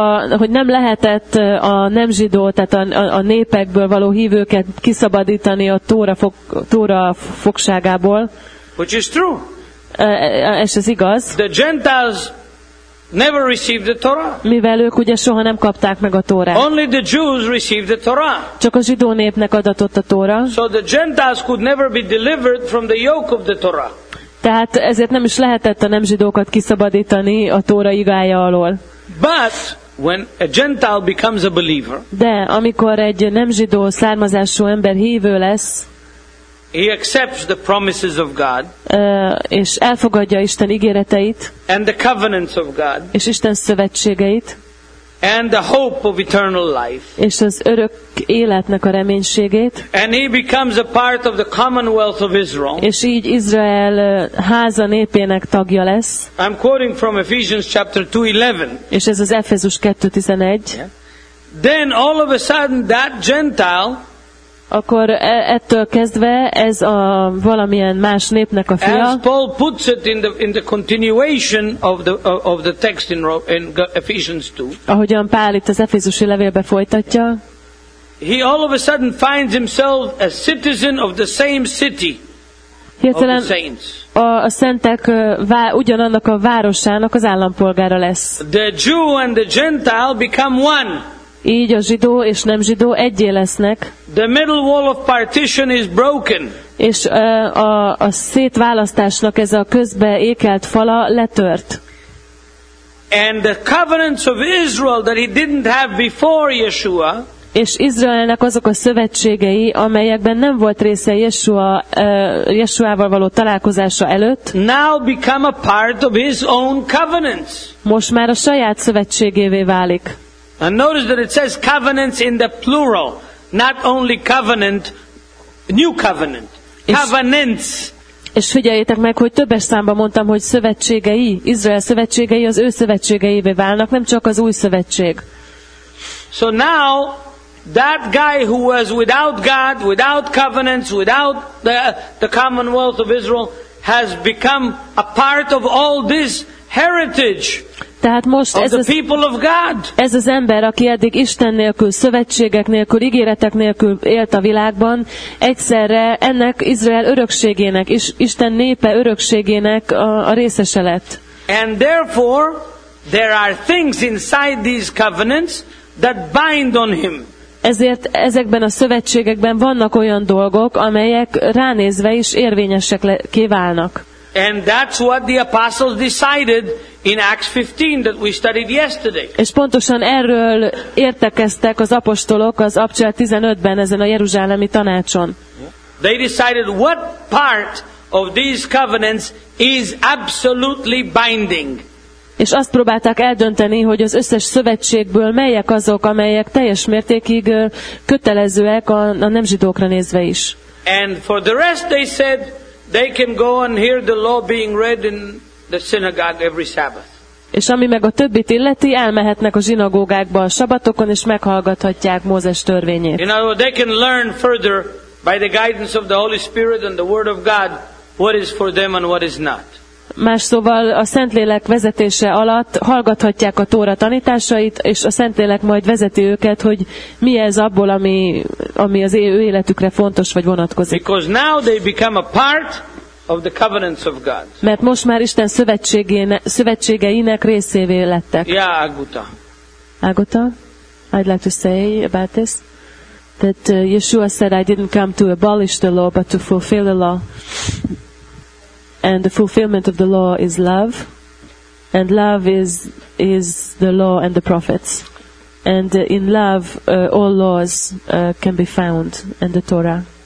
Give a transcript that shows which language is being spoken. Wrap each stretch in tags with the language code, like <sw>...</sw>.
<hu>Hogy nem lehetett a nem zsidó, tehát a népekből való hívőket kiszabadítani a Tóra fogságából.</hu> <en>Which is true.</en> <hu>És ez igaz.</hu> <en>The Gentiles never received the Torah.</en> <hu>Mivel ők ugye soha nem kapták meg a Tórát.</hu> <en>Only the Jews received the Torah.</en> <hu>Csak a zsidó népnek adatott a Tóra.</hu> <en>So the Gentiles could never be delivered from the yoke of the Torah.</en> <hu>Tehát ezért nem is lehetett a nem zsidókat kiszabadítani a Tóra igája alól.</hu> <en>But when a Gentile becomes a believer.</en> <hu>De amikor egy nem zsidó származású ember hívő lesz.</hu> <en>He accepts the promises of God.</en> <hu>És elfogadja Isten ígéreteit.</hu> <en>And the covenants of God.</en> <hu>És Isten szövetségeit.</hu> <en>And the hope of eternal life.</en> <hu>És az örök életnek a reménységét.</hu> <en>And he becomes a part of the commonwealth of Israel.</en> <hu>És így Izrael háza népének tagja lesz.</hu> <en>I'm quoting from Ephesians chapter 2:11.</en> <hu>És ez az Efezus 2:11. Yeah.</hu> <en>Then all of a sudden that Gentile.</en> <hu>Akkor ettől kezdve ez a valamilyen más népnek a fia.</hu> <en>As Paul puts it in the continuation of the text in Ephesians 2.</en> <hu>Ahogyan Pál itt az Efézusi levélbe folytatja.</hu> <en>He all of a sudden finds himself a citizen of the same city.</en> <hu>Hirtelen a szentek ugyanannak a városának az állampolgára lesz.</hu> <en>The Jew and the Gentile become one.</en> <hu>Így a zsidó és nem zsidó egyé lesznek.</hu> <en>The middle wall of partition is broken.</en> <hu>És a szétválasztásnak ez a közbe ékelt fala letört.</hu> <en>And the covenants of Israel that he didn't have before Yeshua.</en> <hu>És Izraelnek azok a szövetségei, amelyekben nem volt része Yeshuával való találkozása előtt,</hu> <en>now become a part of his own covenants.</en> <hu>Most már a saját szövetségévé válik.</hu> <en>And notice that it says covenants in the plural, not only covenant, new covenant. Covenants.</en> <hu>És figyeljétek meg, hogy többes számban mondtam, hogy szövetségei, Izrael szövetségei az ő szövetségeivé válnak, nem csak az új szövetség.</hu> <en>So now that guy who was without God, without covenants, without the commonwealth of Israel has become a part of all this heritage.</en> <hu>Tehát most ez az, ez az ember, aki eddig Isten nélkül, szövetségek nélkül, ígéretek nélkül élt a világban, egyszerre ennek Izrael örökségének és Isten népe örökségének a részese lett.</hu> <en>And therefore there are things inside these covenants that bind on him.</en> <hu>Ezért ezekben a szövetségekben vannak olyan dolgok, amelyek ránézve is érvényesek kiválnak.</hu> <en>And that's what the apostles decided in Acts 15 that we studied yesterday.</en> <hu>És pontosan erről értekeztek az apostolok az Apcsel 15-ben ezen a jeruzsálemi tanácson.</hu> <en>They decided what part of these covenants is absolutely binding.</en> <hu>És azt próbálták eldönteni, hogy az összes szövetségből melyek azok, amelyek teljes mértékig kötelezőek a nem zsidókra nézve is.</hu> <en>And for the rest they said they can go and hear the law being read in the synagogue every Sabbath.</en> <hu>És ami meg a többit illeti, elmehetnek a zsinagógákba a sabatokon és meghallgathatják Mózes törvényét.</hu> <en>You know, they can learn further by the guidance of the Holy Spirit and the Word of God what is for them and what is not.</en> <hu>Más szóval a Szentlélek vezetése alatt hallgathatják a Tóra tanításait, és a Szentlélek majd vezeti őket, hogy mi ez abból, ami az ő életükre fontos vagy vonatkozik.</hu> <en>Because now they become a part of the covenants of God.</en> <hu>Mert most már Isten szövetségeinek részévé lettek.</hu> <en>Yeah, Aguta. Aguta, I'd like to say about this that Yeshua said, I didn't come to abolish the law, but to fulfill the law. And the fulfillment of the law is love, and love is the law and the prophets, and in love all laws can be found and the Torah.</en>